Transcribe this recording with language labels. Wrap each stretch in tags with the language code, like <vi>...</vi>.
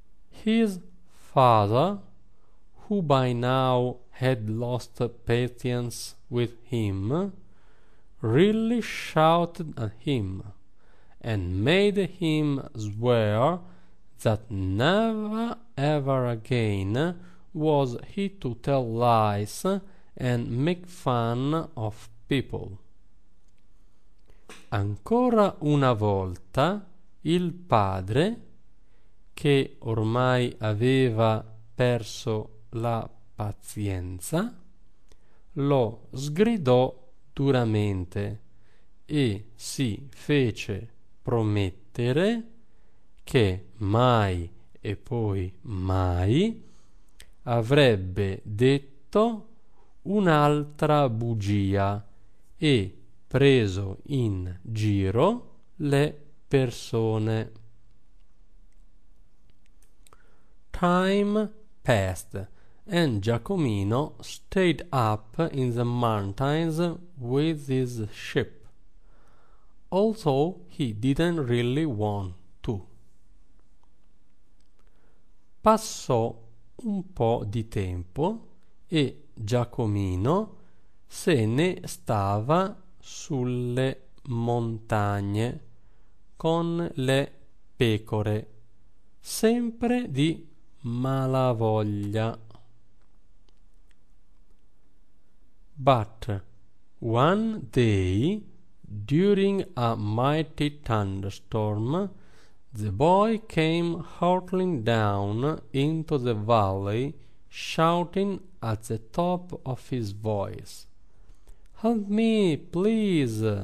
<en>His father, who by now had lost patience with him, really shouted at him and made him swear that never ever again was he to tell lies and make fun of people.</en> <it>Ancora una volta il padre, che ormai aveva perso la pazienza, lo sgridò duramente e si fece promettere che mai e poi mai avrebbe detto un'altra bugia e preso in giro le persone.</it> <en>Time passed, and Giacomino stayed up in the mountains with his sheep, although he didn't really want to.</en> <it>Passò un po' di tempo e Giacomino se ne stava sulle montagne con le pecore, sempre di malavoglia.</it> <en>But one day, during a mighty thunderstorm, the boy came hurtling down into the valley, shouting at the top of his voice, "Help me, please!</en>